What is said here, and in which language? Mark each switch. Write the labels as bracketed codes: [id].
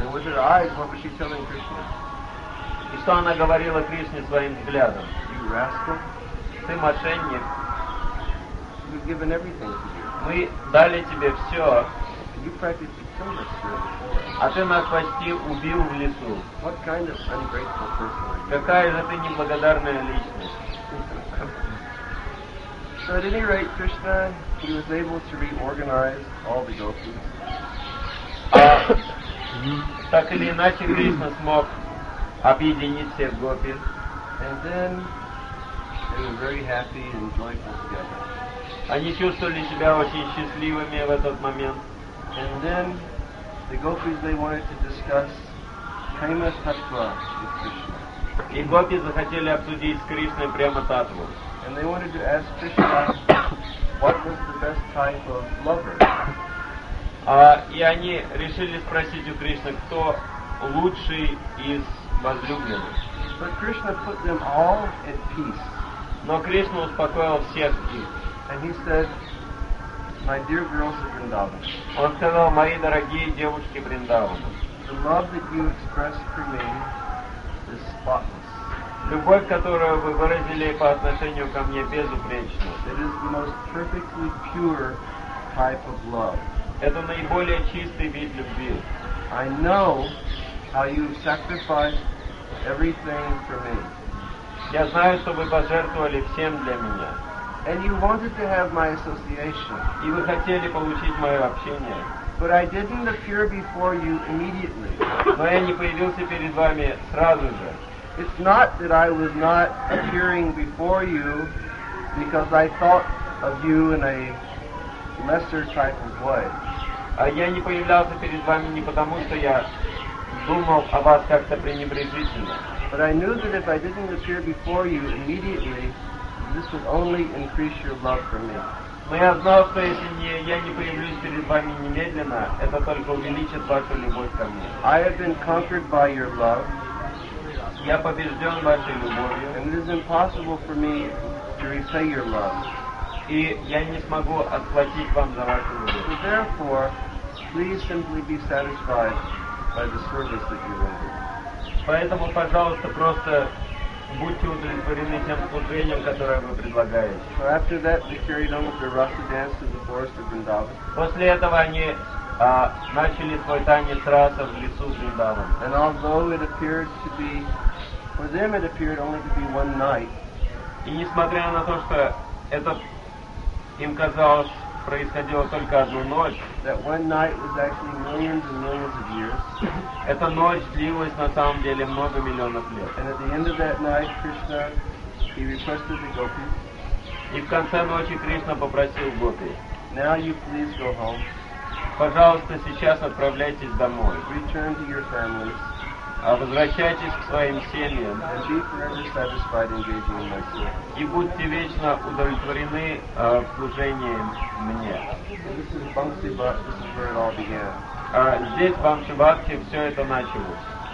[en] And with her eyes, what was she telling Krishna? [ru] И что она говорила Кришне своим взглядом? [en] You rascal. [ru] Ты мошенник. [en] We've given everything to you. [ru] Мы дали тебе все. [en] You practically killed us here before. [ru] А ты нас почти убил в лесу. [en] What kind of ungrateful person are you? [ru] Какая же ты неблагодарная личность. [en] So at any rate, Krishna, he was able to reorganize all the gopis. [ru] Так или иначе, Кришна смог объединить всех гопи. [en] And then they were very happy and joyful together. [ru] Они чувствовали себя очень счастливыми в этот момент. [en] And then the gopis, they wanted to discuss [ru] према-таттва с Кришной. И гопи захотели обсудить с Кришной према-таттву. [en] And they wanted to ask Krishna what was the best type of lover. [ru] И они решили спросить у Кришны, кто лучший из возлюбленных. [en] But Krishna put them all at peace. [ru] Но Кришна успокоил всех их. [en] And he said, my dear girls of Vrindavan. [ru] Он сказал, мои дорогие девушки Вриндавана. [en] The love that you express for me is spotless. [ru] Любовь, которую вы выразили по отношению ко мне, безупречна. [en] It is the most perfectly pure type of love. [ru] Это наиболее чистый вид любви. [en] I know how you sacrificed everything for me. [ru] Я знаю, что вы пожертвовали всем для меня. [en] And you wanted to have my association. [ru] И вы хотели получить мое общение. [en] But I didn't appear before you immediately. [ru] Но я не появился перед вами сразу же. [en] It's not that I was not appearing before you because I thought of you in a lesser type of way. [ru] Я не появлялся перед вами не потому, что я думал о вас как-то пренебрежительно. [en] But I knew that if I didn't appear before you immediately, this would only increase your love for me. [ru] Но я знал, что если я не появлюсь перед вами немедленно, это только увеличит вашу любовь ко мне. [en] I have been conquered by your love. [ru] Я побежден вашей любовью. [en] And it is impossible for me to repay your love. [ru] И я не смогу отплатить вам за вашу любовь. [en] So therefore, please simply be satisfied by the service that you render. [ru] Поэтому, пожалуйста, просто будьте удовлетворены тем служением, которое вы предлагаете. [en] So after that, they carried on with their rasa dance in the forest of Vrindavan. [ru] После этого они начали свой танец раса в лесу Вриндаван. [en] And although it appeared to be, for them it appeared only to be one night. [ru] И несмотря на то, что это им казалось происходило только одну ночь. [en] That one night was actually millions and millions of years. [ru] Эта ночь длилась на самом деле много миллионов лет. [en] And at the end of that night, Krishna, he requested the gopi. [ru] И в конце ночи Кришна попросил гопи. [en] Now you please go home. [ru] Пожалуйста, сейчас отправляйтесь домой. [en] Return to your families. [ru] Возвращайтесь к своим семьям. [en] And be forever satisfied engaging in my service. [ru] И будьте вечно удовлетворены служением мне. [en] This is Bhakti Bhakti, this is where it all began. [ru] Здесь Бхакти Бхакти все это началось.